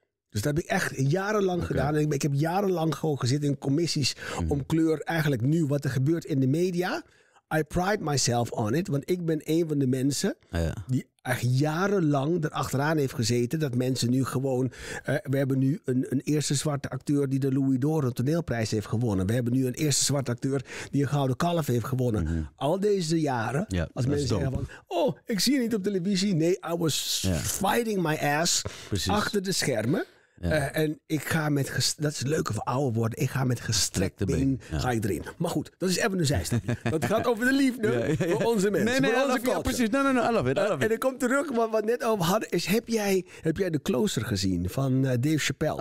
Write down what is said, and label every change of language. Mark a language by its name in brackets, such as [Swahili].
[Dutch] Dus dat heb ik echt jarenlang gedaan. En ik heb jarenlang gewoon gezeten in commissies om kleur, eigenlijk nu wat er gebeurt in de media, [English] I pride myself on it, [Dutch] want ik ben een van de mensen die echt jarenlang erachteraan heeft gezeten dat mensen nu gewoon, we hebben nu een eerste zwarte acteur die de Louis d'Or een toneelprijs heeft gewonnen. We hebben nu een eerste zwarte acteur die een Gouden Kalf heeft gewonnen. Mm-hmm. Al deze jaren, als mensen zeggen van, oh, ik zie je niet op televisie. [English] Nee, I was fighting my ass. [Dutch] Precies. Achter de schermen. Ja. En ik ga met, dat is het leuke van ouder worden, ik ga met gestrekte been ga ik erin. Maar goed, dat is even een zijstapje. Dat gaat over de liefde voor onze mensen. Nee, voor onze [English] culture. [Dutch] Precies. [English] No, I love it. [Dutch] En ik kom terug, wat net over hadden is, heb jij The Closer gezien van Dave Chappelle?